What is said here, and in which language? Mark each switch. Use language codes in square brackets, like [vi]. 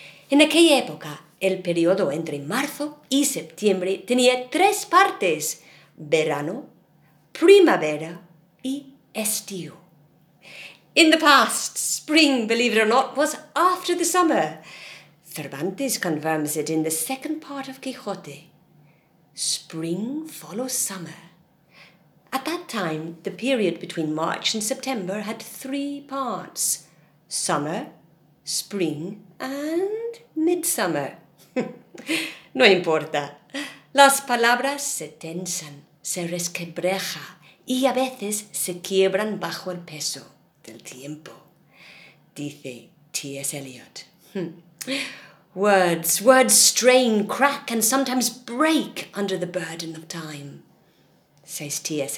[es] En aquella época, el periodo entre marzo y septiembre tenía tres partes: verano, primavera y estío. [en] In the past, spring, believe it or not, was after the summer. Cervantes confirms it in the second part of Quijote. Spring follows summer. At that time, the period between March and September had three parts: summer, spring, and midsummer. [es] No importa. Las palabras se tensan, se resquebreja, y a veces se quiebran bajo el peso del tiempo, dice T.S. Eliot. [en] Words strain, crack, and sometimes break under the burden of time, says T.S.